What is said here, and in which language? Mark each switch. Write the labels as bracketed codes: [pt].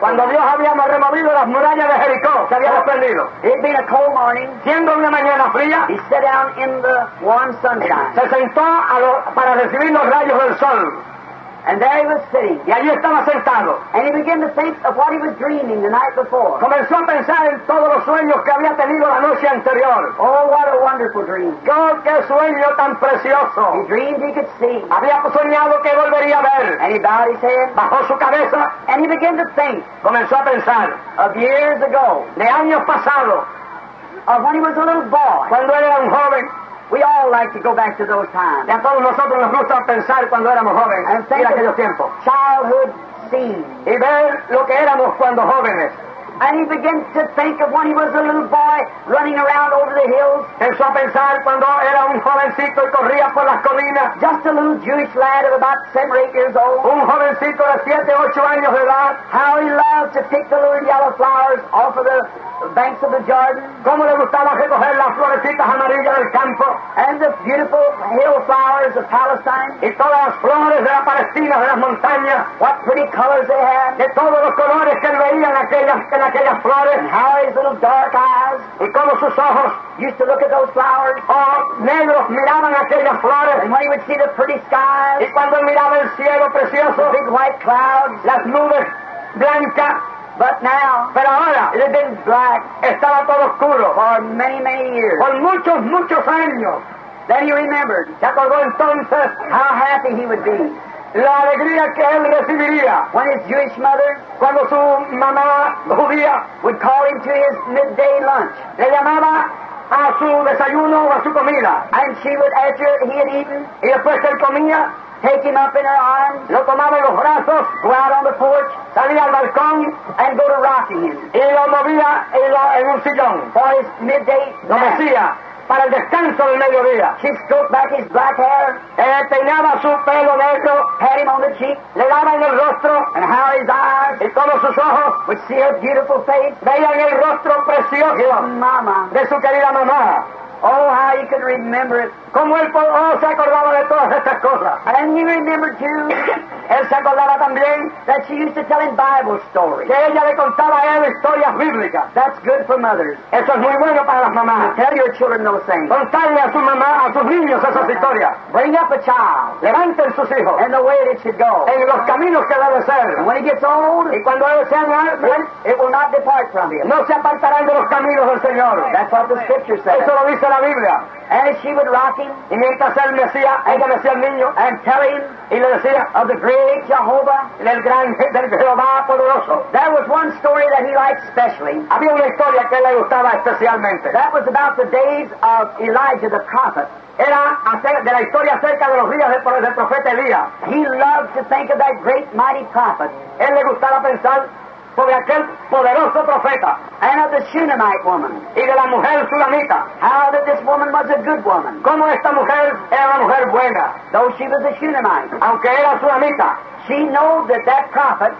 [es] Cuando Dios había removido las murallas de Jericó. Se había desprendido. [en] It being a cold morning. [es] Siendo una mañana fría. [en] He sat down in the warm sunshine. [es] Se sentó para recibir los rayos del sol. [en] And there he was sitting. [es] Y allí estaba sentado. [en] And he began to think of what he was dreaming the night before. [es] Comenzó a pensar en todos los sueños que había tenido la noche anterior. [en] Oh, what a wonderful dream. [es] ¡Oh, qué sueño tan precioso! [en] He dreamed he could see. [es] Había soñado que volvería a ver. [en] And he bowed his head. [es] Bajó su cabeza. [en] And he began to think. [es] Comenzó a pensar. [en] Of years ago. [es] De años pasados. [en] Of when he was a little boy. [es] Cuando él era un joven. [en] We all like to go back to those times. [es] Y a todos nosotros nos gusta pensar cuando éramos jóvenes. [en] And think [es] y aquellos tiempos. [en] Childhood scenes. [es] Y ver lo que éramos cuando jóvenes. [en] And he begins to think of when he was a little boy running around over the hills. [es] Empezó a pensar cuando era un jovencito y corría por las colinas. [en] Just a little Jewish lad of about 7 or 8 years old. [es] Un jovencito de 7 o 8 años de edad. [en] How he loved to pick the little yellow flowers off of the banks of the Jordan. [es] Cómo le gustaba recoger las florecitas amarillas del campo. [en] And the beautiful hill flowers of Palestine. [es] Y todas las flores de la Palestina, de las montañas. [en] What pretty colors they had. [es] De todos los colores que veía en aquellas flores. [en] And how his little dark eyes. [es] Y cómo sus ojos. [en] Used to look at those flowers. [es] Oh, negros miraban aquellas flores. [en] And when he would see the pretty skies. [es] Y cuando miraba el cielo precioso. [en] The big white clouds. [es] Las nubes blancas. [en] But now, [es] pero ahora, [en] it had been black. [es] Estaba todo oscuro. [en] For many, many years. [es] Por muchos, muchos años. [en] Then he remembered. [es] Se acordó entonces. [en] How happy he would be. [es] La alegría que él recibiría. [en] When his Jewish mother, [es] cuando su mamá judía, [en] would call him to his midday lunch. [es] Le llamaba a su desayuno o a su comida. [en] And she would, after he had eaten, [es] y después que él comía, [en] take him up in her arms. [es] Lo tomaba en los brazos. [en] Go out on the porch. [es] Salía al balcón. [en] And go to rocking him. [es] Y lo movía en un sillón. [en] For his midday [es] lo mecía para el descanso del mediodía. [en] She stroked back his black hair. [es] Peinaba su pelo negro. [en] Pat him on the cheek. [es] Le daba en el rostro. [en] And how his eyes. [es] Y todos sus ojos. [en] Would see her beautiful face. [es] Veían el rostro precioso. [en] Mama. [es] De su querida mamá. [en] Oh, how he could remember it. [es] Como él, oh, se acordaba de todas estas cosas. [en] And he remembered too. [es] Él se acordaba también. [en] That she used to tell him Bible stories. [es] Que ella le contaba a él historias bíblicas. [en] That's good for mothers. [es] Eso es muy bueno para las mamás. [en] And tell your children those things. [es] Contarle a su mamá, a sus niños esas historias. [en] Bring up a child. [es] Levanten sus hijos. [en] And the way it should go. [es] En los caminos que debe ser. [en] And when he gets old. [es] Y cuando él sea mayor. [en] It will not depart from him. [es] No se apartarán de los caminos del Señor. [en] That's what the scripture says. [es] Eso lo dice la Biblia. [en] And she would rock him. [es] Y mientras él mecía, ella mecía al niño. [en] And tell him. [es] Y le decía, [en] of the great Jehovah. [es] Del gran del Jehová poderoso. [en] There was one story that he liked specially. [es] Había una historia que le gustaba especialmente. [en] That was about the days of Elijah the prophet. [es] Era de la historia acerca de los días del profeta Elías. [en] He loved to think of that great mighty prophet. [es] Él le gustaba pensar sobre aquel poderoso profeta. [en] And of the Shunammite woman. [es] Y de la mujer Shunamita. [en] How that this woman was a good woman. [es] Como esta mujer era una mujer buena. [en] Though she was a Shunammite. [es] Aunque era Shunamita. [en] She knew that that prophet.